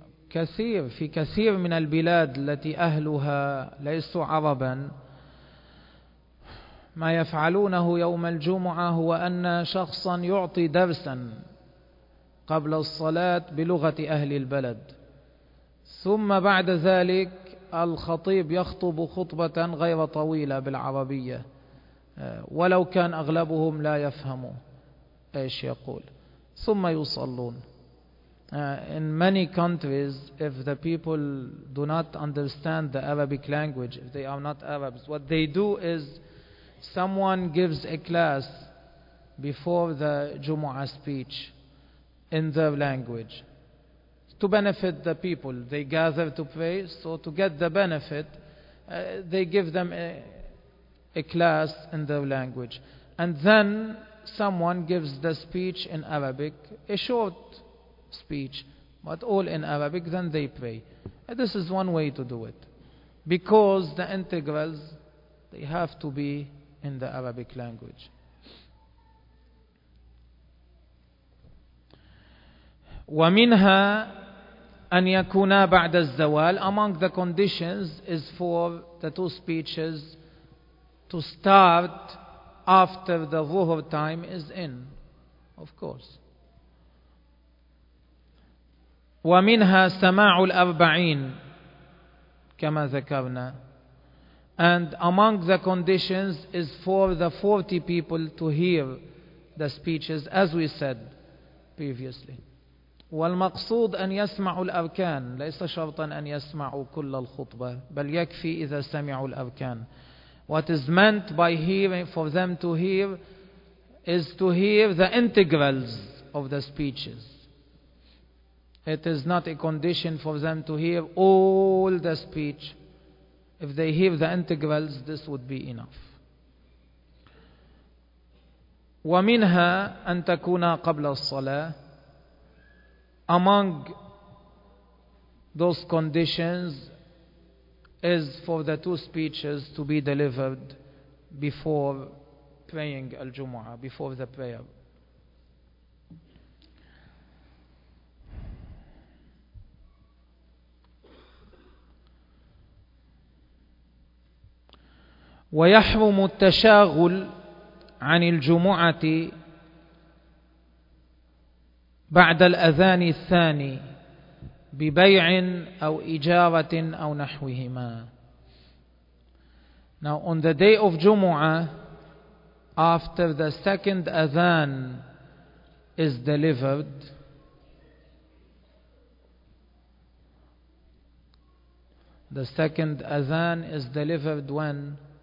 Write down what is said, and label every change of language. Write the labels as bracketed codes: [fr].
[ar] في كثير من البلاد التي أهلها ليسوا عربا ما يفعلونه يوم الجمعة هو أن شخصا يعطي درسا قبل الصلاة بلغة أهل البلد ثم بعد ذلك الخطيب يخطب خطبة غير طويلة بالعربية ولو كان أغلبهم لا يفهموا إيش يقول ثم يصلون. [en] In many countries, if the people do not understand the Arabic language, if they are not Arabs, what they do is someone gives a class before the Jumu'ah speech in their language to benefit the people. They gather to pray, so to get the benefit, they give them a class in their language. And then someone gives the speech in Arabic, a short speech, but all in Arabic, then they pray. And this is one way to do it, because the integrals, they have to be in the Arabic language. [ar] وَمِنْهَا أَنْ يَكُونَا بَعْدَ الزَّوَالِ [en] Among the conditions is for the two speeches to start after the dhuhr time is in, of course. [ar] ومنها سماع الأربعين كما ذكرنا. [en] And among the conditions is for the 40 people to hear the speeches as we said previously. [ar] والمقصود أن يسمعوا الأركان ليس شرطا أن يسمعوا كل الخطبة بل يكفي إذا سمعوا الأركان. [en] What is meant by hearing, for them to hear, is to hear the integrals of the speeches. It is not a condition for them to hear all the speech. If they hear the integrals, this would be enough. [ar] ومنها أن تكون قبل الصلاة. [en] Among those conditions is for the two speeches to be delivered before praying Al-Jumu'ah, before the prayer. [ar] ويحرم التشاغل عن الجمعة بعد الأذان الثاني ببيع أو إجارة أو نحوهما. [en] Now on the day of Jumu'ah, after the second Adhan is delivered, the second Adhan is delivered when?